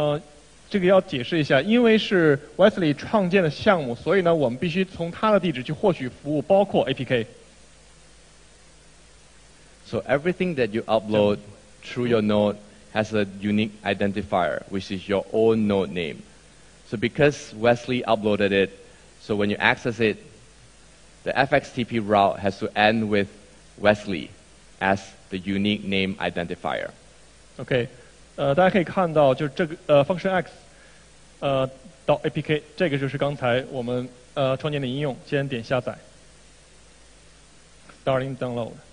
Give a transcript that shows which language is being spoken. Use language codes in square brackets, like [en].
[zh] 地址是多少？download，这个要解释一下，因为是 Wesley 创建的项目，所以呢，我们必须从他的地址去获取服务，包括 APK. [en] So everything that you upload through your node has a unique identifier, which is your own node name. So because Wesley uploaded it, so when you access it, the FXTP route has to end with Wesley as the unique name identifier. [zh] Okay, 大家可以看到就是这个 Function X 到 APK 这个就是刚才我们 创建的应用，先点下载 ， [en] starting download.